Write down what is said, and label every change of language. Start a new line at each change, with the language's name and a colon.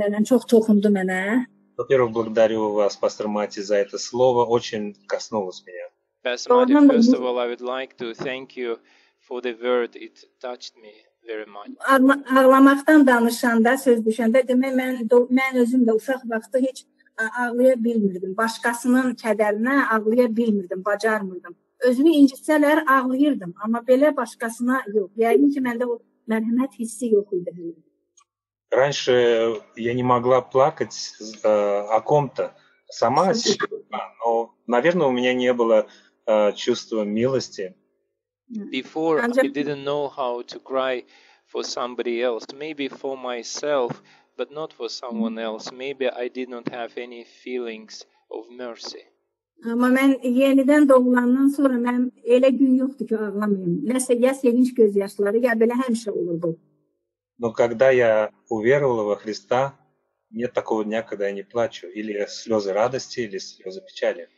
Russian: Во-первых, благодарю вас, пастор Мати, за это слово. Очень коснулось меня.
English: Pastor Mati, first of all, I would like to thank you for the word. It touched me very much.
Azerbaijani: Ağlamaqdan danışanda, söz düşəndə, demək, mən özüm də uşaq vaxtı heç ağlaya bilmirdim. Başqasının kədərinə ağlaya bilmirdim, bacarmırdım. Özümü incitsələr ağlayırdım, amma belə başqasına yox. Yəqin ki, məndə o mərhəmət hissi yox idi.
Russian: Раньше я не могла плакать о ком-то, сама о себе, но, наверное, у меня не было чувства милости.
English: Before I didn't know how to cry for somebody else, maybe for myself, but not for someone else. Maybe I did not have any feelings of mercy.
Turkish: Ama ben yeniden doğulandan sonra ben öyle gün yoktu ki ağlamayayım. Mesela sevinç gözyaşları ya böyle her şey olurdu.
Russian: Но когда я уверовала во Христа, нет такого дня, когда я не плачу, или слезы радости, или слезы печали.